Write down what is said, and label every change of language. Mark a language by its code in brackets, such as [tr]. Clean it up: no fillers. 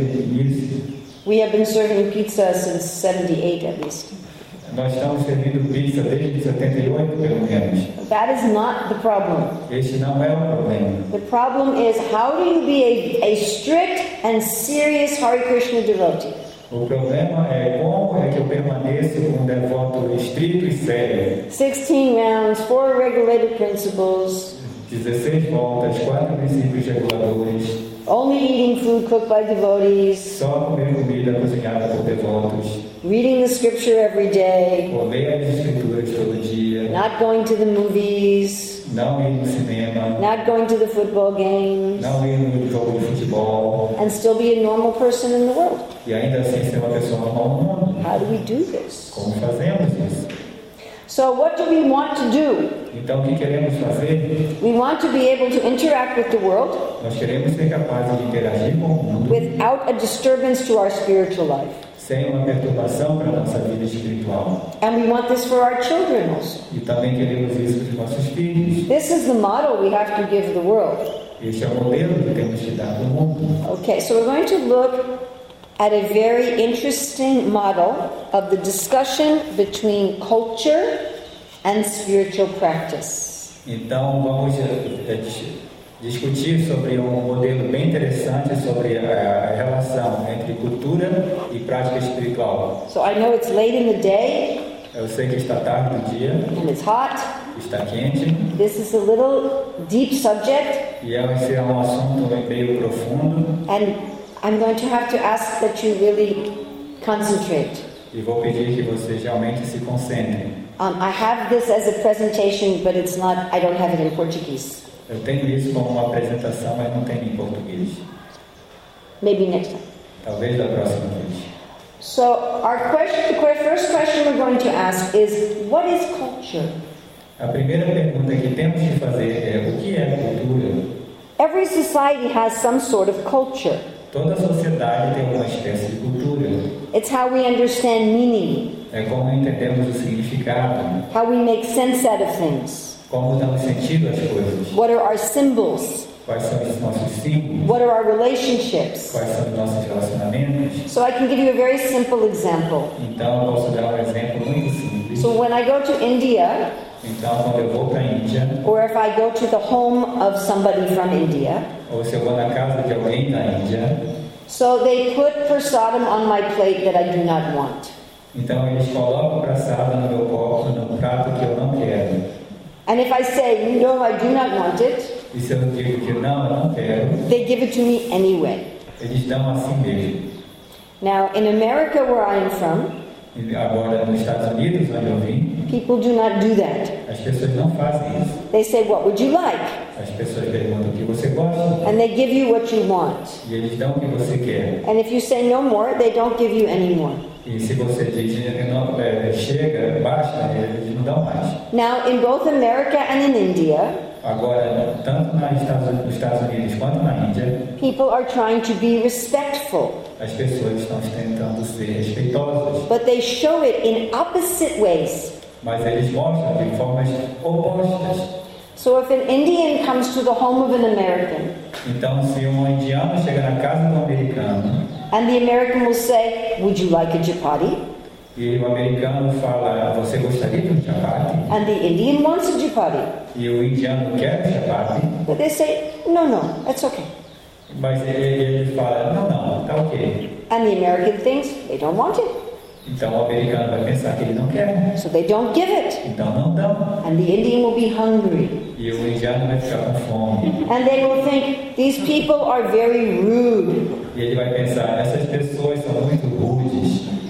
[en] We have been serving pizza since 78 at least. [pt] Nós estamos servindo pizza desde 78, pelo menos. [en] That is not the problem. [pt] Esse não é o problema. [en] The problem is, how do you be a strict and serious Hare Krishna devotee? [pt] O problema é como é que eu permaneço um devoto estrito e sério. [en] 16 rounds, 4 regulated principles. [pt] 16 voltas, 4 princípios reguladores. [en] Only eating food cooked by devotees. [pt] Só comer comida cozinhada por devotos. [en] Reading the scripture every day. Not going to the movies. [pt] Não ir no cinema. [en] Not going to the football games. [pt] Não ir no jogo de futebol. [en] And still be a normal person in the world. [pt] E ainda assim ser uma pessoa normal no mundo. [en] How do we do this? [pt] Como fazemos isso? [en] So what do we want to do? [pt] Então, o que queremos fazer? [en] We want to be able to interact with the world. [pt] Nós queremos ser capazes de interagir com o mundo. [en] Without a disturbance to our spiritual life. [pt] Sem uma perturbação para a nossa vida espiritual. [en] And we want this for our children also. [pt] E também queremos isso para os nossos filhos. [en] This is the model we have to give the world. [pt] Esse é o modelo que temos que dar ao mundo. [en] Okay, so we're going to look at a very interesting model of the discussion between culture and spiritual practice. [pt] Então vamos discutir sobre um modelo bem interessante sobre a relação entre cultura e prática espiritual. [en] So I know it's late in the day. [pt] Eu sei que está tarde do dia. [en] And it's hot. [pt] Está quente. [en] This is a little deep subject. [pt] E esse é um assunto meio profundo. [en] And I'm going to have to ask that you really concentrate. [pt] E vou pedir que vocês realmente se concentrem. [en] I have this as a presentation, but it's not, I don't have it in Portuguese. [pt] Eu tenho isso como uma apresentação, mas não tenho em português. [en] Maybe next time. [pt] Talvez da próxima vez. [en] So, our question, the first question we're going to ask is, what is culture? [pt] A primeira pergunta que temos que fazer é, o que é cultura? [en] Every society has some sort of culture. [pt] Toda sociedade tem uma espécie de cultura. [en] It's how we understand meaning. [pt] É como entendemos o significado. [en] How we make sense out of things. [pt] Como damos sentido às coisas. [en] What are our symbols? [pt] Quais são os nossos símbolos? [en] What are our relationships? [pt] Quais são os nossos relacionamentos? [en] So I can give you a very simple example. [pt] Então eu posso dar um exemplo muito simples. [en] So when I go to India, [pt] então quando eu vou para a Índia, [en] or if I go to the home of somebody from India, [pt] ou se eu vou na casa de alguém na Índia, [en] so they put prasadam on my plate that I do not want. [pt] Então eles colocam prasadam no meu copo, no prato que eu não quero. [en] And if I say, no, I do not want it, [pt] e se eu digo que não, eu não quero, [en] they give it to me anyway. [pt] Eles dão assim mesmo. [en] Now, in America, where I am from, [pt] agora nos Estados Unidos, onde eu vim, [en] people do not do that. [pt] As pessoas não fazem isso. [en] They say, what would you like? [pt] As pessoas perguntam o que você gosta. [en] And they give you what you want. [pt] E eles dão o que você quer. [en] And if you say no more, they don't give you any more. [pt] E se você diz chega, basta, eles não dão mais. [en] Now, in both America and in India, [pt] agora, tanto nos Estados Unidos quanto na Índia, [en] people are trying to be respectful. [pt] As pessoas estão tentando ser respeitosas. [en] But they show it in opposite ways. [pt] Mas eles mostram de formas opostas. [en] So if an Indian comes to the home of an American, [pt] então, se um indiano chega na casa do americano, [en] and the American will say, would you like a chapati? [pt] E o americano fala, você gostaria de chapati? [en] And the Indian wants a chapati. [pt] E o indiano quer chapati. [en] But they say, no, no, that's okay. [pt] Mas ele fala, não, não, tá ok. [en] And the American thinks, they don't want it. [pt] Então o americano vai pensar que ele não quer. [en] So they don't give it. [pt] Então não dão. [en] And the Indian will be hungry. [pt] E o indiano vai ficar com fome. [en] And they will think, these people are very rude. [pt] E ele vai pensar, essas pessoas são muito rudes.